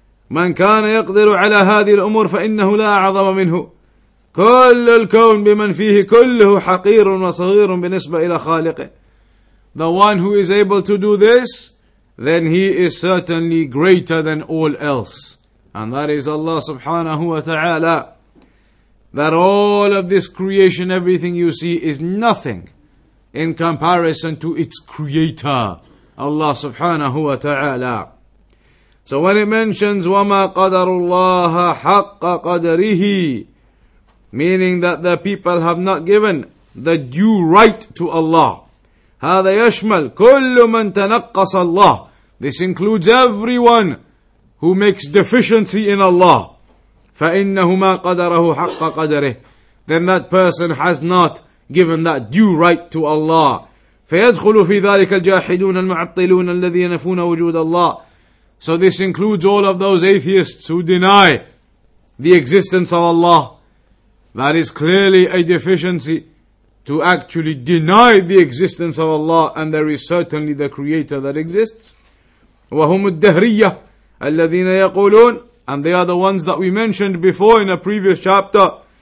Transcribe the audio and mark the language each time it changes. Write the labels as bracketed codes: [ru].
[ar] من كان يقدر على هذه الأمور فإنه لا أعظم منه. كل الكون بمن فيه كله حقير وصغير بالنسبة إلى خالقه. [en] The one who is able to do this, then he is certainly greater than all else. And that is Allah subhanahu wa ta'ala. That all of this creation, everything you see, is nothing in comparison to its creator, Allah subhanahu wa ta'ala. So when it mentions, [ar] وَمَا قَدَرُ اللَّهَ حَقَّ قَدَرِهِ, [en] meaning that the people have not given the due right to Allah. [ar] هذا يشمل كل من تنقص الله. [en] This includes everyone who makes deficiency in Allah. [ar] فإنه ما قدره حق قدره. [en] Then that person has not given that due right to Allah. [ar] فيدخل في ذلك الجاحدون المعطلون الذين ينفون وجود الله. [en] So this includes all of those atheists who deny the existence of Allah. That is clearly a deficiency, to actually deny the existence of Allah, and there is certainly the Creator that exists. [ar] وَهُمُ الدَّهْرِيَّةِ الَّذِينَ يَقُولُونَ, [en] and they are the ones that we mentioned before in a previous chapter.